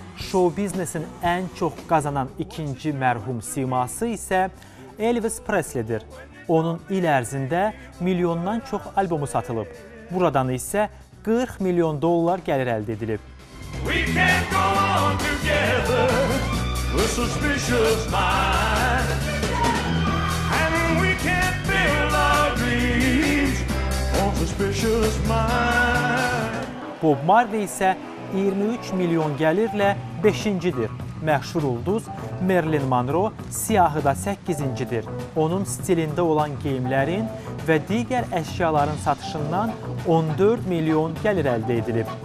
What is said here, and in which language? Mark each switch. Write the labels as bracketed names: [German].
[Azerbaijani] Show biznesin ən çox qazanan ikinci mərhum siması isə Elvis Presley-dir. Onun il ərzində milyondan çox albomu satılıb. Buradan isə 40 milyon dollar gəlir əldə edilib. [English] We can go on together. We're suspicious minds, and we can't build our dreams on suspicious minds. [Azerbaijani] Bob Marley isə 23 milyon gəlirlə 5-cidir. Məşhur ulduz Marilyn Monroe siyahı da 8-cidir. Onun stilində olan geyimlərin və digər əşyaların satışından 14 milyon gəlir əldə edilib.